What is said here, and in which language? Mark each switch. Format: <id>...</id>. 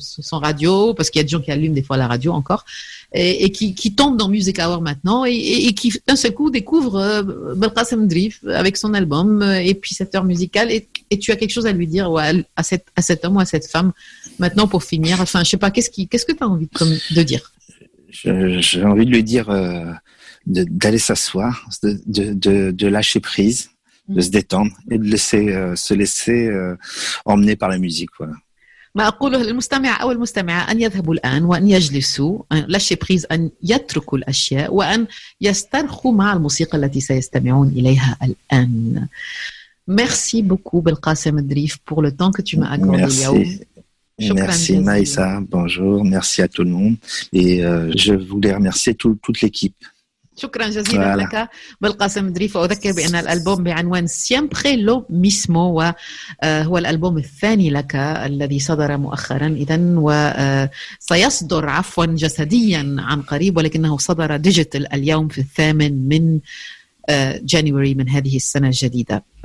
<fr>son radio, parce qu'il y a des gens qui allument des fois la radio encore, et qui tombe dans Music Hour maintenant et qui d'un seul coup découvre Belkacem Drif avec son album et puis cette heure musicale, et tu as quelque chose à lui dire à cet homme ou à cette femme maintenant pour finir, enfin je sais pas, qu'est-ce que tu as envie de dire? J'ai envie de lui dire d'aller s'asseoir, de lâcher prise, de se détendre et de se laisser emmener par la musique, voilà.</fr> <ar>ما أقوله للمستمع أو المستمعة أن يذهبوا الآن وأن يجلسوا لشيبريز، أن يتركوا الأشياء وأن يسترخوا مع الموسيقى التي سيستمعون إليها الآن.</ar> <fr>Merci beaucoup بالقاسم الدريف pour le temps que tu m'as accordé. Merci Maïssa, bonjour, merci à tout le monde et je voulais remercier toute l'équipe.</fr> <ar>شكرا جزيلا voilà. لك بالقاسم دريف، وأذكر بأن الألبوم بعنوان Siempre lo mismo هو الألبوم الثاني لك الذي صدر مؤخرا، إذن وسيصدر عفوا جسديا عن قريب، ولكنه صدر ديجيتال اليوم في 8 January من هذه السنة الجديدة.</ar>